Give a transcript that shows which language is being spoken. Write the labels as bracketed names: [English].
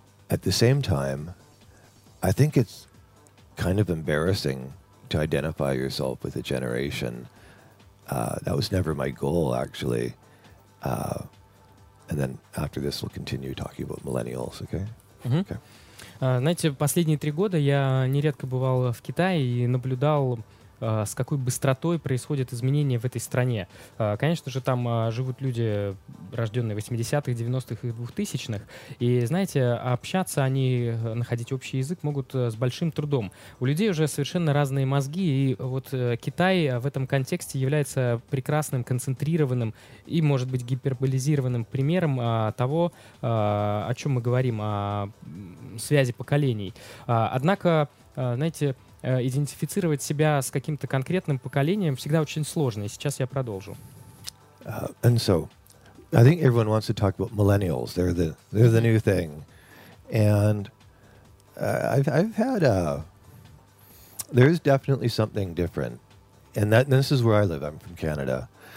[English] At the same time, I think it's kind of embarrassing to identify yourself with a generation. That was never my goal, actually. And then after this, we'll continue talking about millennials, okay? Mm-hmm. Okay. [Russian] Знаете, последние 3 года я нередко бывал в Китае и наблюдал, с какой быстротой происходят изменения в этой стране. Конечно же, там живут люди, рожденные в 80-х, 90-х и 2000-х. И, знаете, общаться они, находить общий язык могут с большим трудом. У людей уже совершенно разные мозги, и вот Китай в этом контексте является прекрасным, концентрированным и, может быть, гиперболизированным примером того, о чем мы говорим, о связи поколений. Однако, знаете, идентифицировать себя с каким-то конкретным поколением всегда очень сложно. И сейчас я продолжу. [English] And so, I think everyone wants to talk about millennials. They're the new thing. And I've had a... There is definitely something different. And this is where I live. I'm from Canada.